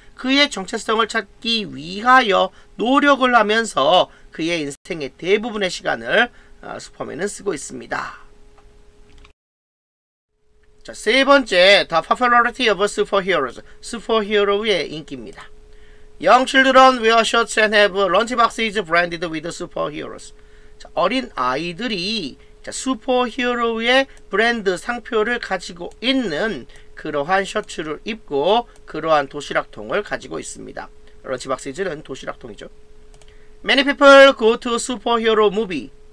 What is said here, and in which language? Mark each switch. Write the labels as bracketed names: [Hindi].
[Korean] 그의 정체성을 찾기 위하여 노력을 하면서 그의 인생의 대부분의 시간을 슈퍼맨은 쓰고 있습니다. 자, 세 번째, [English] The Popularity of Superheroes. [Korean] 슈퍼히어로의 인기입니다. [English] Young children wear shirts and have lunchboxes branded with superheroes. [Korean] 자, 어린 아이들이 자, 슈퍼히어로의 브랜드 상표를 가지고 있는 그러한 셔츠를 입고 그러한 도시락통을 가지고 있습니다. 런치박스는 도시락통이죠. [English] Many people go to superhero movie.